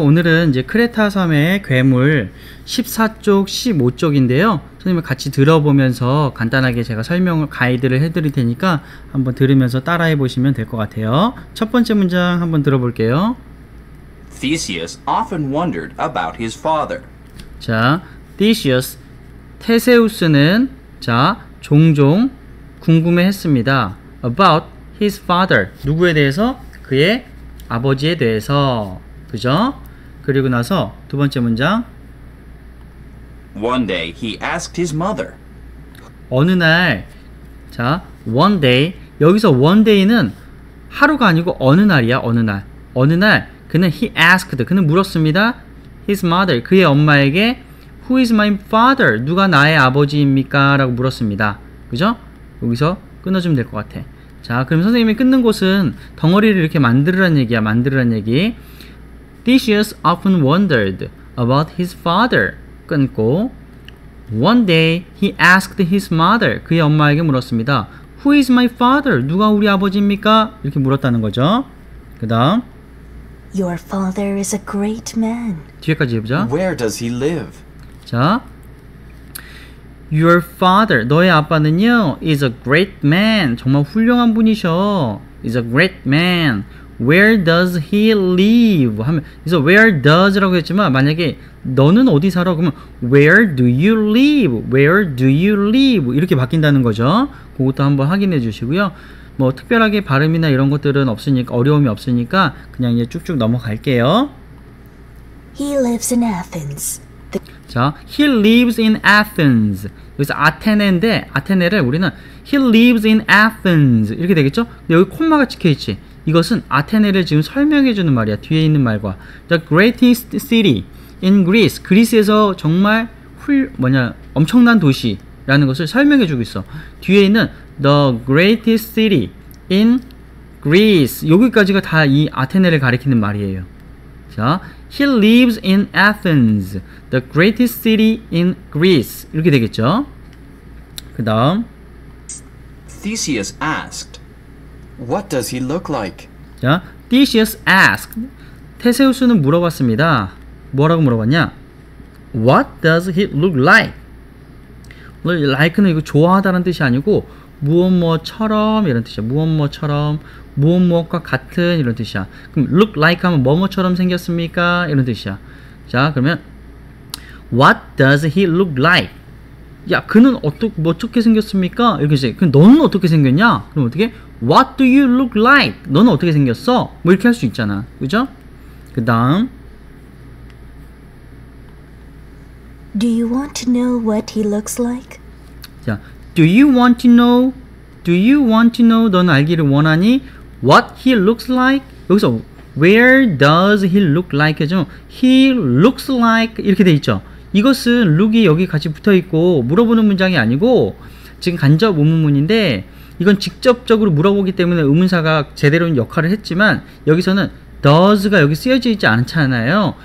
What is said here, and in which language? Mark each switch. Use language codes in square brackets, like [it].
[ko] 오늘은 이제 크레타 섬의 괴물 14쪽, 15쪽인데요. 선생님 같이 들어보면서 간단하게 제가 설명을, 가이드를 해드릴 테니까 한번 들으면서 따라해 보시면 될것 같아요. 첫 번째 문장 한번 들어볼게요. [en] Theseus often wondered about his father. [ko] 자, Theseus, 테세우스는 자, 종종 궁금해했습니다. [en] About his father. [ko] 누구에 대해서? 그의 아버지에 대해서, 그죠? 그리고 나서 두 번째 문장. [en] One day he asked his mother. [ko] 어느 날, 자, [en] one day. [ko] 여기서 one day는 하루가 아니고 어느 날이야, 어느 날. 어느 날, 그는 [en] he asked, [ko] 그는 물었습니다. [en] His mother, [ko] 그의 엄마에게, [en] Who is my father? [ko] 누가 나의 아버지입니까? 라고 물었습니다. 그죠? 여기서 끊어주면 될것 같아. 자, 그럼 선생님이 끊는 곳은 덩어리를 이렇게 만들으란 얘기야, 만들으란 얘기. [en] Theseus often wondered about his father. [ko] 끊고. [en] One day he asked his mother. [ko] 그의 엄마에게 물었습니다. [en] Who is my father? [ko] 누가 우리 아버지입니까? 이렇게 물었다는 거죠. 그 다음. [en] Your father is a great man. [ko] 뒤에까지 해보자. [en] Where does he live? [ko] 자. [en] Your father, [ko] 너의 아빠는요, [en] is a great man. [ko] 정말 훌륭한 분이셔. [en] is a great man. Where does he live? [ko] 하면, [en] is a where does [ko] 라고 했지만, 만약에 너는 어디 살아? 그러면 [en] where do you live? Where do you live? [ko] 이렇게 바뀐다는 거죠. 그것도 한번 확인해 주시고요. 뭐, 특별하게 발음이나 이런 것들은 없으니까, 어려움이 없으니까, 그냥 이제 쭉쭉 넘어갈게요. [en] He lives in Athens. 자, he lives in Athens. [ko] 여기서 아테네인데, 아테네를 우리는 [en] he lives in Athens. [ko] 이렇게 되겠죠? 근데 여기 콤마가 찍혀있지. 이것은 아테네를 지금 설명해주는 말이야. 뒤에 있는 말과. [en] The greatest city in Greece. [ko] 그리스에서 정말 뭐냐, 엄청난 도시라는 것을 설명해주고 있어. 뒤에 있는 [en] the greatest city in Greece. [ko] 여기까지가 다이 아테네를 가리키는 말이에요. [en] 자, he lives in Athens, the greatest city in Greece. [ko] 이렇게 되겠죠? 그 다음. [en] Theseus asked, What does he look like? 자, Theseus asked. [ko] 테세우스는 물어봤습니다. 뭐라고 물어봤냐? [en] What does he look like? [ko] Like는 이거 좋아하다는 뜻이 아니고, 무엇뭐처럼, 이런 뜻이야. 무엇뭐처럼. 무엇무엇과 같은 이런 뜻이야. 그럼 [en] look like [ko] 하면 뭐뭐처럼 생겼습니까? 이런 뜻이야. 자, 그러면 [en] What does he look like? [ko] 야, 그는 어떻게 생겼습니까? 이렇게 이제 그럼 너는 어떻게 생겼냐? 그럼 어떻게? [en] What do you look like? [ko] 너는 어떻게 생겼어? 뭐 이렇게 할수 있잖아. 그죠? 그 다음 [en] Do you want to know what he looks like? 자, Do you want to know? Do you want to know? [ko] 너는 알기를 원하니? [en] What he looks like? [ko] 여기서 [en] where does he look like? [ko] 하죠? [en] He looks like [ko] 이렇게 돼 있죠. 이것은 look이 여기 같이 붙어 있고 물어보는 문장이 아니고 지금 간접 의문문인데 이건 직접적으로 물어보기 때문에 의문사가 제대로는 역할을 했지만 여기서는 does가 여기 쓰여져 있지 않잖아요.